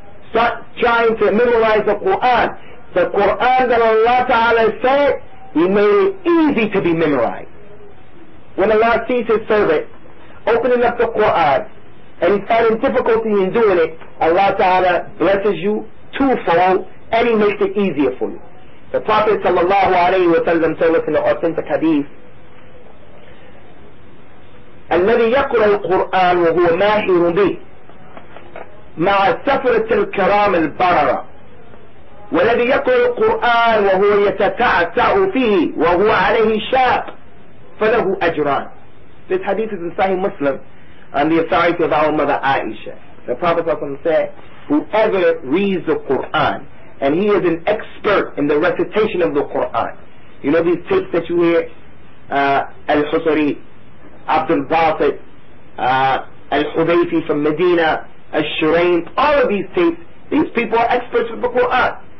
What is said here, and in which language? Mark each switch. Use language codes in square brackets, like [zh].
[en] Start trying to memorize the Quran. The Quran that Allah Ta'ala said, He made it easy to be memorized. When Allah sees His servant opening up the Quran and he's finding difficulty in doing it, Allah Ta'ala blesses you twofold and He makes it easier for you. The Prophet sallallahu alayhi wa sallam told us in the authentic hadith, [ar] الذي يقرأ القرآن وهو ماهر به مع سفرة الكرام البررة والذي يقرأ القرآن وهو يتتعتع فيه وهو عليه شاب فله أجران. [en] This hadith is in Sahih Muslim on the authority of our mother Aisha. The Prophet ﷺ said, whoever reads the Quran and he is an expert in the recitation of the Quran. You know these tips that you hear, Al-Husari, Abdul Basit, Al-Hudayfi from Medina, Al-Shurayn, all of these tapes, these people are experts with the Quran.